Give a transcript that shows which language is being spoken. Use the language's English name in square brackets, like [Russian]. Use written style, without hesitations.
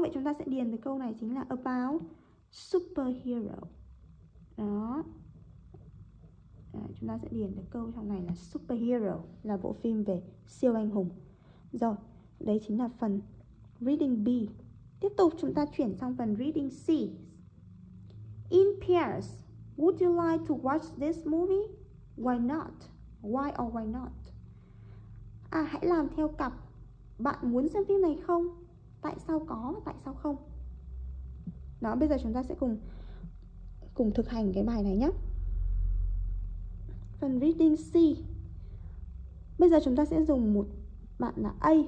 [Vietnamese] Vậy chúng ta sẽ điền từ câu này chính là [English] about superhero. [Vietnamese] Đó. Chúng ta sẽ điền được câu trong này là superhero, là bộ phim về siêu anh hùng. Rồi, đấy chính là phần reading B. Tiếp tục chúng ta chuyển sang phần reading C. [English] In pairs, would you like to watch this movie? Why not? Why or why not? [Vietnamese] Hãy làm theo cặp. Bạn muốn xem phim này không? Tại sao có, tại sao không? Đó, bây giờ chúng ta sẽ cùng thực hành cái bài này nhé. Phần reading C. Bây giờ chúng ta sẽ dùng một bạn là A.